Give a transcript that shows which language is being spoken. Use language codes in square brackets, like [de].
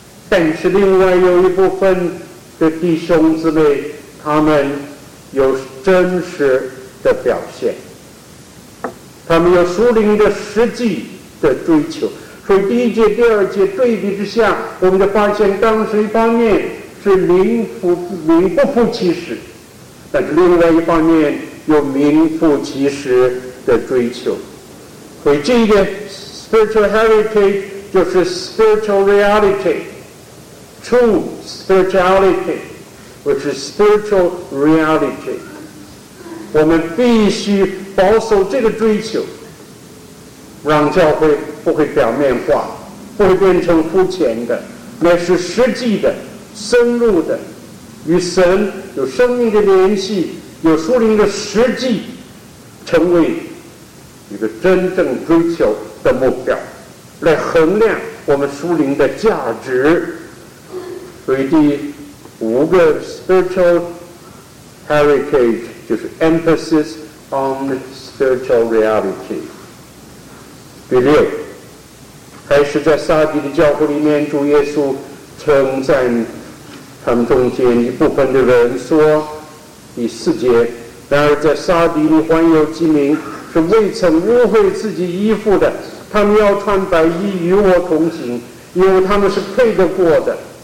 [zh] 但是另外有一部分的弟兄姊妹，他们有真实的表现，他们有属灵的实际的追求。所以第一节第二节对比之下，我们就发现当时一方面是名不副其实，但是另外一方面有名副其实的追求。所以这一点 [en] spiritual heritage [zh] 就是 [en] spiritual realityTrue spirituality, which is spiritual reality. [zh] 我们必须保守这个追求，让教会不会表面化，不会变成肤浅的，乃是实际的、深入的，与神有生命的联系，有属灵的实际，成为一个真正追求的目标，来衡量我们属灵的价值。所以第五个 spiritual heritage 就是 [en] emphasis on spiritual reality。 [zh] 第六，还是在撒迪的教会里面，主耶稣称赞他们中间一部分的人说，第四节，然而在撒迪里还有几名是未曾污秽自己衣服的，他们要穿白衣与我同行，因为他们是配得过的。